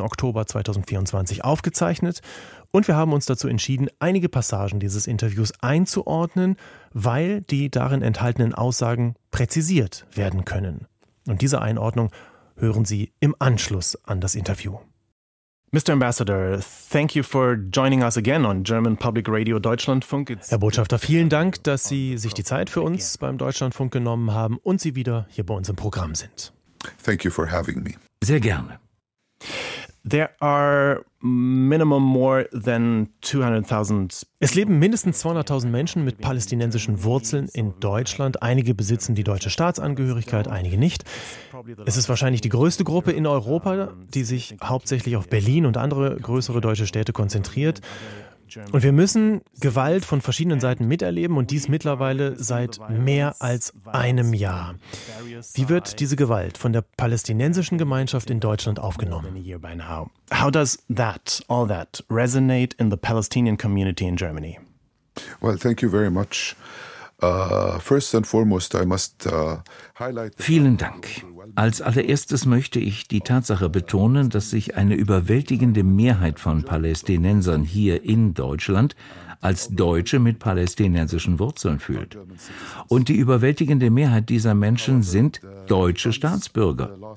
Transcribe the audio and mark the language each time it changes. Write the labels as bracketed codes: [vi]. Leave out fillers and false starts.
[de] Oktober 2024, aufgezeichnet. Und wir haben uns dazu entschieden, einige Passagen dieses Interviews einzuordnen, weil die darin enthaltenen Aussagen präzisiert werden können. Und diese Einordnung hören Sie im Anschluss an das Interview. [en] Mr. Ambassador, thank you for joining us again on German Public Radio Deutschlandfunk. [de] Herr Botschafter, vielen Dank, dass Sie sich die Zeit für uns beim Deutschlandfunk genommen haben und Sie wieder hier bei uns im Programm sind. [en] Thank you for having me. [de] Sehr gerne. [en] There are minimum more than 200,000. [de] Es leben mindestens 200.000 Menschen mit palästinensischen Wurzeln in Deutschland. Einige besitzen die deutsche Staatsangehörigkeit, einige nicht. Es ist wahrscheinlich die größte Gruppe in Europa, die sich hauptsächlich auf Berlin und andere größere deutsche Städte konzentriert. Und wir müssen Gewalt von verschiedenen Seiten miterleben und dies mittlerweile seit mehr als einem Jahr. Wie wird diese Gewalt von der palästinensischen Gemeinschaft in Deutschland aufgenommen? [en] How does that, all that, resonate in the Palestinian community in Germany? Well, thank you very much. First and foremost, I must highlight. [de] Vielen Dank. Als allererstes möchte ich die Tatsache betonen, dass sich eine überwältigende Mehrheit von Palästinensern hier in Deutschland als Deutsche mit palästinensischen Wurzeln fühlt. Und die überwältigende Mehrheit dieser Menschen sind deutsche Staatsbürger.